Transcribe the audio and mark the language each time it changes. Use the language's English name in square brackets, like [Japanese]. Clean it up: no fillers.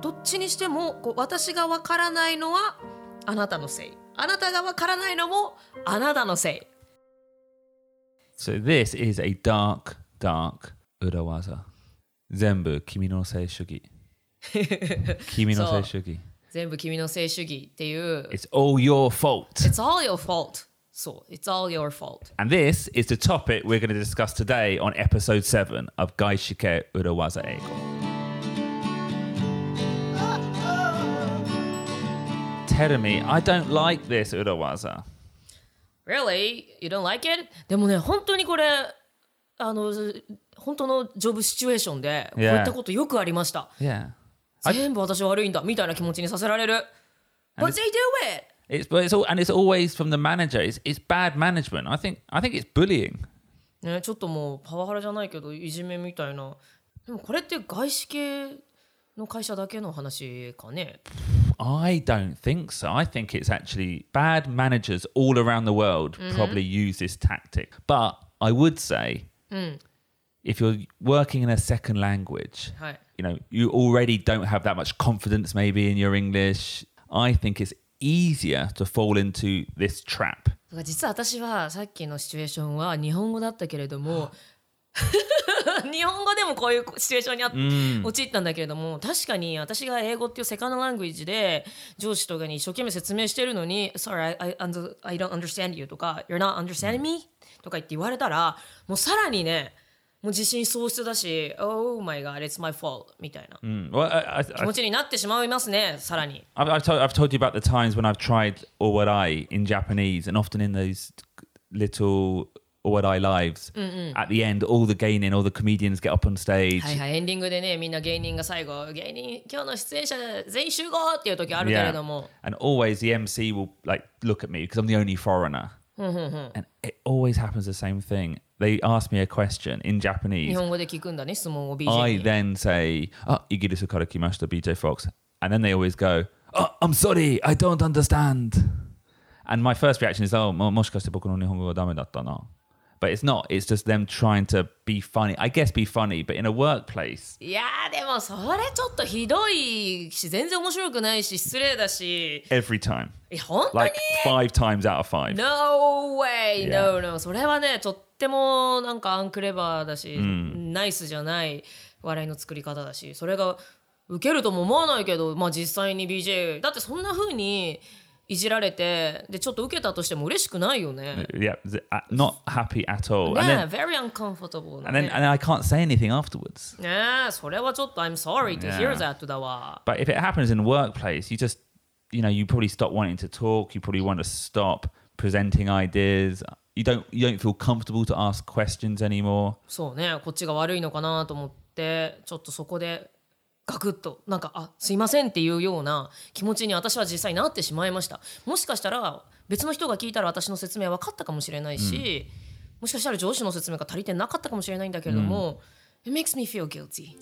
[Japanese] どっちにしてもこう私がわからないのはあなたのせい、あなたがわからないのもあなたのせい。 [English] So this is a dark, dark 裏技。 [Japanese] 全部君のせい主義。君のせい主義。全部君のせい主義っていう。 [English] It's all your fault. It's all your fault. So, it's all your fault. And this is the topic we're going to discuss today on episode 7 of Gaishike Urowaza Eigo. Terumi, I don't like this Urowaza. Really? You don't like it? [Japanese] でもね、本当にこれ、あの、本当のジョブシチュエーションで、こういったことよくありました。 Yeah. 全部私悪いんだ、みたいな気持ちにさせられる。 [English] But they do it! It's always from the manager. It's bad management. I think it's bullying. [Japanese] ね、ちょっともうパワハラじゃないけどいじめみたいな。でもこれって外資系の会社だけの話かね。 [English] I don't think so. I think it's actually bad managers all around the world probably use this tactic. But I would say, if you're working in a second language, you know, you already don't have that much confidence maybe in your English. I think it'sEasier to fall into this trap. [Japanese] 実は私はさっきのシチュエーションは日本語だったけれども、日本語でもこういうシチュエーションに陥ったんだけれども、確かに私が英語っていうセカンドラングイッジで上司とかに一生懸命説明してるのに、 [English] Sorry, I don't understand [Japanese] you とか、 [English] You're not understanding me [Japanese] とか言って言われたら、もうさらにね、もう自信喪失だし、 [English] Oh my God, it's my fault [Japanese] みたいな、気持ちになってしまいますね、さらに。 [English] I've told you about the times when I've tried or what I in Japanese, and often in those little What Our Lives at the end, all the 芸人 all the comedians get up on stage [Japanese] はいはいエンディングでねみんな芸人が最後芸人今日の出演者全員集合っていう時あるけれども、 yeah. [English] And always the MC will like look at me because I'm the only foreigner And it always happens the same thing They ask me a question in Japanese [Japanese] 日本語で聞くんだね質問を BJ に [English] I then say [Japanese] イギリスから来ました [English] BJ Fox And then they always go I'm sorry I don't understand And my first reaction is [Japanese] もしかして僕の日本語がダメだったな [English] But it's not. It's just them trying to be funny. I guess be funny, but in a workplace. [Japanese] Yeah, でもそれちょっとひどいし、全然面白くないし、失礼だし。 [English] Every time. [Japanese] え、本当に? [English] Like five times out of five. No way. Yeah. No, no. [Japanese] それはね、とってもなんかアンクレバーだし、ナイスじゃない笑いの作り方だし、それが受けるとも思わないけど、まあ実際に BJ、だってそんな風に、いじられてでちょっと受けたとしても嬉しくないよね。 [English] Yeah, not happy at all. Yeah, then, very uncomfortable. And then, and I can't say anything afterwards. Yeah, [Japanese] それはちょっと [English] I'm sorry to hear that [Japanese] だわ。 [English] But if it happens in workplace, you just, you know, you probably stop wanting to talk. You probably want to stop presenting ideas. You don't feel comfortable to ask questions anymore. [Japanese] そうね、こっちが悪いのかなと思ってちょっとそこで。ガクッとなんかあすいませんっていうような気持ちに私は実際なってしまいました。もしかしたら別の人が聞いたら私の説明は分かったかもしれないし、もしかしたら上司の説明が足りてなかったかもしれないんだけれども、 [English] It makes me feel guilty.